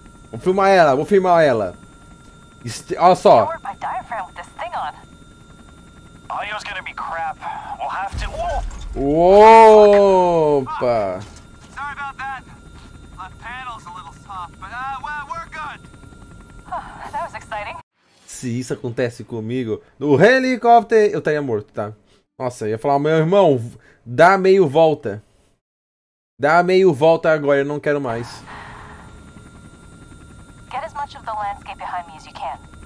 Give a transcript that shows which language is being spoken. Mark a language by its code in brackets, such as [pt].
[pt] Vou filmar ela, vou filmar ela. Olha [en] I [pt] só. [en] work my diaphragm with this thing on. Audio's gonna be crap. We'll have to. Whoa! [pt] Opa! [en] Sorry about that. Left panel's a little soft, but well, we're good. That was exciting. [pt] Se isso acontece comigo no helicóptero, eu estaria morto, tá? Nossa, eu ia falar, meu irmão, dá meio volta. Dá meio volta agora, eu não quero mais. [en] Get as much of the landscape behind me as you can.